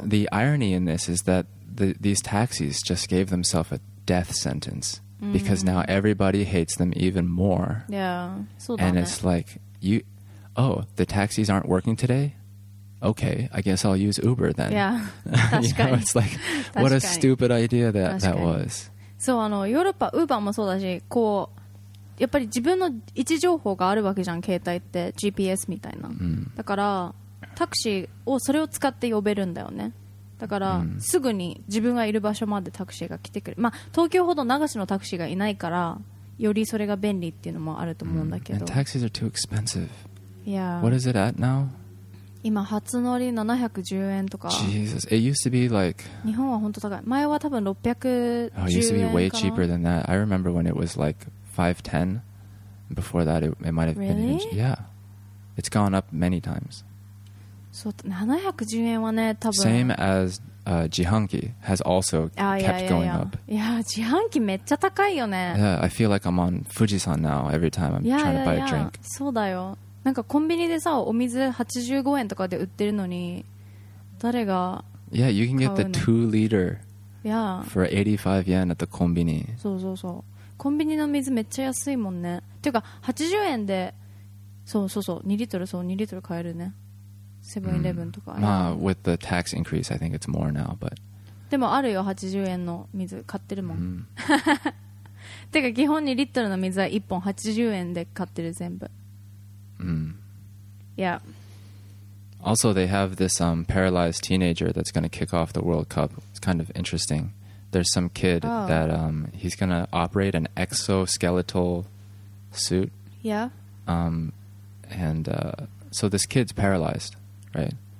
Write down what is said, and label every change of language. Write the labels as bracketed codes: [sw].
[en] So、the irony in this is that these taxis just gave themselves a death sentence、mm-hmm. because now everybody hates them even more. [ja] Yeah, そうだね。 [en] And it's like, you, oh, the taxis aren't working today? Okay, I guess I'll use Uber then. [ja] Yeah, 確かに。 [en] You know, it's like, what a stupid idea that was. [ja] そう、ヨーロッパ、Uber もそうだし、こう、やっぱり自分の位置情報があるわけじゃん、携帯って、GPS みたいな。 Mm. だから、タクシーをそれを使って呼べるんだよね。だから、mm. すぐに自分がいる場所までタクシーが来てくれる。まあ、東京ほど流しのタクシーがいないから、よりそれが便利っていうのもあると思うんだけど。 [en] Mm. And taxis are too expensive. Yeah. What is it at now? [ja] 今初乗り710円とか。 [en] Jesus, it used to be like [ja] 日本は本当高い。前は多分610円かな。 [en] It used to be way cheaper than that. I remember when it was like 510. Before that, it might have been Really? Yeah. It's gone up many times. [ja] そう、710円はね、多分 [en] Same as 自販機 has also kept going up. [ja] Yeah, 自販機めっちゃ高いよね。 [en] Yeah, I feel like I'm on Fujisan now every time I'm trying to buy a drink. [ja] そうだよ。なんかコンビニでさ、お水85円とかで売ってるのに、誰が買うの? [en] Yeah, you can get the 2 liter for 85 yen at the コンビニ。 [ja] そうそうそう。コンビニの水めっちゃ安いもんね。ていうか、80円で、そうそうそう、2リットル、そう、2リットル買えるね。セブンイレブンとか。まあ、 [en] with the tax increase, I think it's more now, but... [ja] でもあるよ、80円の水買ってるもん。 Mm. てか、基本2リットルの水は1本80円で買ってる、全部。 Mm. [en] Yeah. Also, they have this paralyzed teenager that's going to kick off the World Cup. It's kind of interesting. There's some kid that he's going to operate an exoskeletal suit. Yeah. So this kid's paralyzed, right?